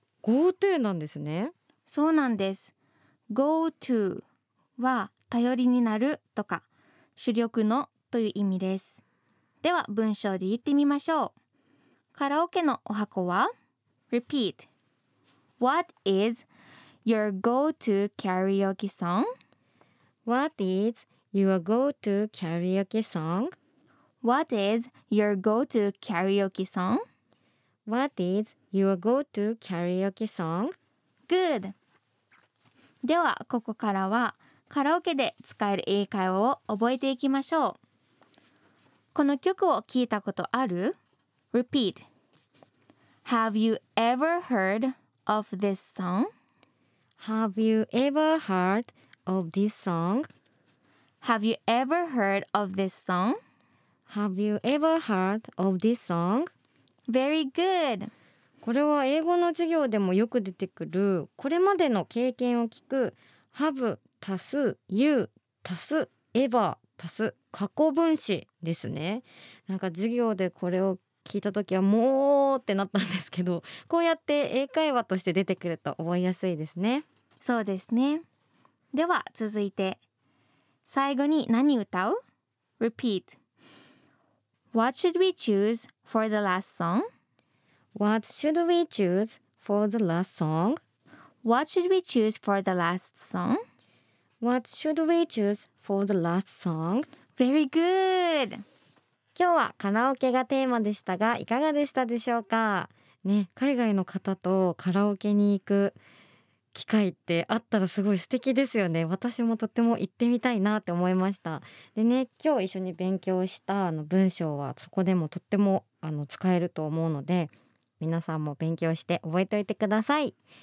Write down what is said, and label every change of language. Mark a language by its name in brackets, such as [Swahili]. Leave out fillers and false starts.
[Japanese] Go to なんですね。そうなんです。 Go to は頼りになるとか主力のという意味です。では文章で言ってみましょう。カラオケのお箱は [English] Repeat. What is your go-to karaoke song? What is your go-to karaoke song? What is your go-to karaoke song? What is your go-to karaoke song? Good. [Japanese] ではここからはカラオケで使える英会話を覚えていきましょう。この曲を聞いたことある? [English] Repeat. Have you ever heard of this song? Have you ever heard of this song? Have you ever heard of this song? Have you ever heard of this song? Very good. [Japanese] これは英語の授業でもよく出てくる、これまでの経験を聞く Have 足す You 足す Ever 足す過去分詞ですね。なんか授業でこれを聞いた時はもうってなったんですけど、こうやって英会話として出てくると覚えやすいですね。そうですね。では続いて最後に何歌う？ [English] Repeat. What should we choose for the last song? What should we choose for the last song? What should we choose for the last song? What should we choose for the last song? Very good. [Japanese] 今日はカラオケがテーマでしたが、いかがでしたでしょうか、ね、海外の方とカラオケに行く機会ってあったらすごい素敵ですよね。私もとても行ってみたいなって思いました。でね、今日一緒に勉強したあの文章はそこでもとってもあの使えると思うので、皆さんも勉強して覚えておいてください。